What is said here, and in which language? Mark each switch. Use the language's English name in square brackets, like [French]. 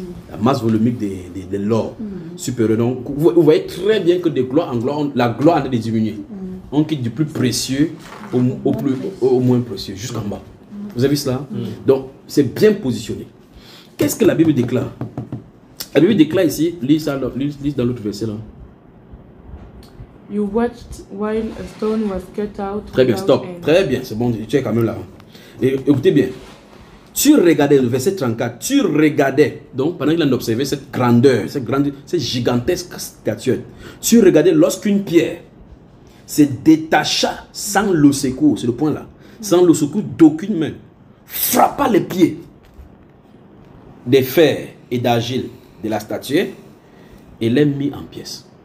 [French] La masse volumique de l'or supérieure. Donc, vous voyez très bien que de gloire en gloire, la gloire est diminuée. On quitte du plus précieux au moins précieux, jusqu'en bas. Vous avez vu cela? Donc, c'est bien positionné. Qu'est-ce que la Bible déclare? La Bible déclare ici, lis dans l'autre verset là. [English] You watched while a stone was cut out. [French] Très bien, stop. Très bien, c'est bon, tu es quand même là. Et écoutez bien, tu regardais, le verset 34, tu regardais, donc pendant qu'il en observait cette grandeur, cette gigantesque statuette, tu regardais lorsqu'une pierre se détacha sans le secours, c'est le point là, sans le secours d'aucune main, frappa les pieds des fer et d'argile de la statuette et les mit en pièces.